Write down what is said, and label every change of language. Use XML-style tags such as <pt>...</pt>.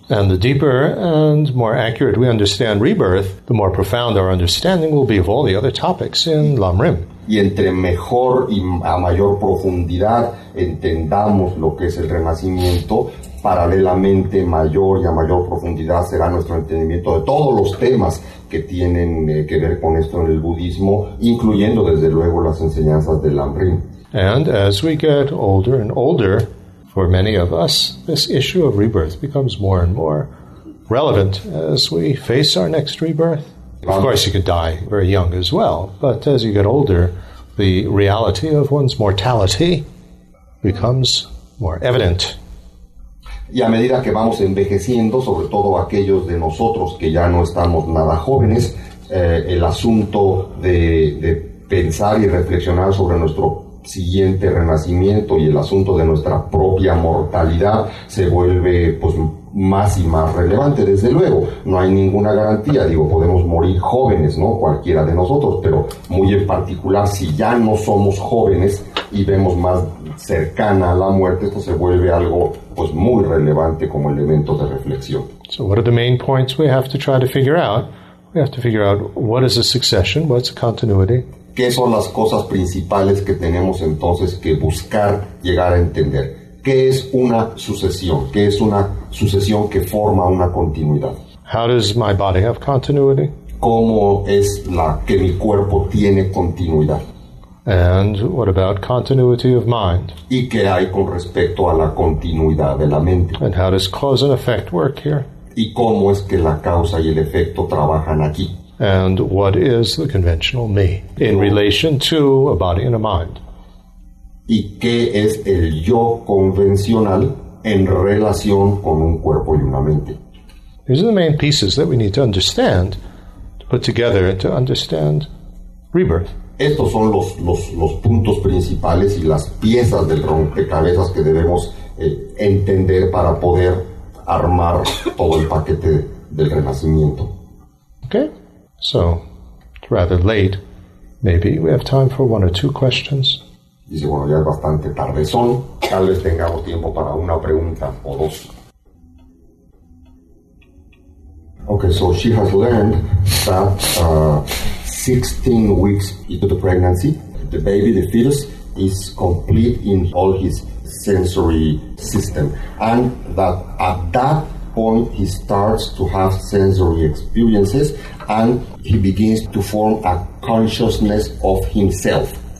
<en>And the deeper and more accurate we understand rebirth, the more profound our understanding will be of all the other topics in Lam Rim.</en> <es>Y entre mejor y a mayor profundidad entendamos lo que es el renacimiento, paralelamente mayor y a mayor profundidad será nuestro entendimiento de todos los temas que tienen que ver con esto en el budismo, incluyendo desde luego las enseñanzas de Lam Rim.</es> <en>And as we get older and older, for many of us, this issue of rebirth becomes more and more relevant as we face our next rebirth. Of course, you could die very young as well, but as you get older, the reality of one's mortality becomes more evident.</en> <es>Y a medida que vamos envejeciendo, sobre todo aquellos de nosotros que ya no estamos nada jóvenes, el asunto de pensar y reflexionar sobre nuestro siguiente renacimiento y el asunto de nuestra propia mortalidad se vuelve pues más y más relevante. Desde luego, no hay ninguna garantía, digo, podemos morir jóvenes, ¿no? Cualquiera de nosotros, pero muy en particular si ya no somos jóvenes y vemos más cercana a la muerte, esto se vuelve algo pues muy relevante como elemento de reflexión.</es> <en>So what are the main points we have to try to figure out? We have to figure out what is a succession, what's a continuity.</en> <es>¿Qué son las cosas principales que tenemos entonces que buscar llegar a entender? ¿Qué es una sucesión? ¿Qué es una sucesión que forma una continuidad?</es> <en>How does my body have continuity?</en> <es>¿Cómo es la que mi cuerpo tiene continuidad?</es> <en>And what about continuity of mind?</en> <es>¿Y qué hay con respecto a la continuidad de la mente?</es> <en>And how does cause and effect work here?</en> <es>¿Y cómo es que la causa y el efecto trabajan aquí?</es> <en>And what is the conventional me in relation to a body and a mind?</en> <es>¿Y qué es el yo convencional en relación con un cuerpo y una mente?</es> <en>These are the main pieces that we need to understand, to put together to understand rebirth.</en> <es>Estos son los puntos principales y las piezas del rompecabezas que debemos entender para poder armar todo el paquete del renacimiento.</es> <en>Okay. So, it's rather late. Maybe we have time for one or two questions.</en> <es>Dice, bueno, ya es bastante tarde. Son, tal vez tengamos tiempo para una pregunta o dos.</es> <en>Okay, so she has learned that 16 weeks into the pregnancy, the baby, the fetus, is complete in all his sensory system. And that at that point, he starts to have sensory experiences and he begins to form a consciousness of himself.</en>